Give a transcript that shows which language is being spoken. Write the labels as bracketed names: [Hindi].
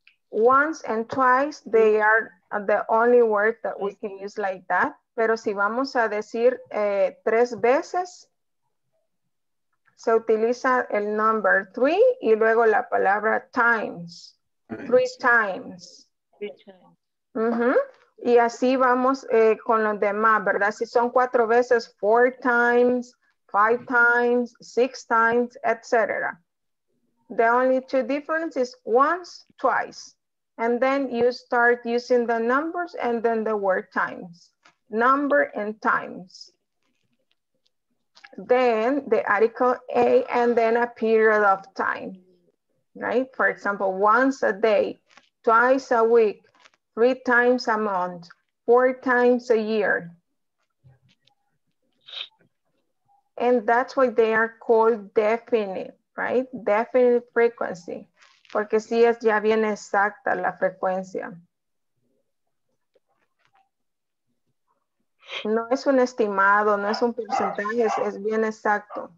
[English] Once and twice, they are the only word that we can use like that. [Spanish] Pero si vamos a decir tres veces, se utiliza el [English] number three [Spanish] y luego la palabra times. [English] Three times. [Spanish] Uh-huh. Y así vamos con los demás, ¿verdad? Si son cuatro veces, [English] four times, five times, six times, [Spanish] etc. [English] The only two differences is once, twice. And then you start using the numbers and then the word times. Number and times. Then the article A and then a period of time, right? For example, once a day, twice a week, three times a month, four times a year. And that's why they are called definite, right? Definite frequency. [Spanish] Porque si es ya bien exacta la frecuencia. No es un estimado, no es un porcentaje, es bien exacto.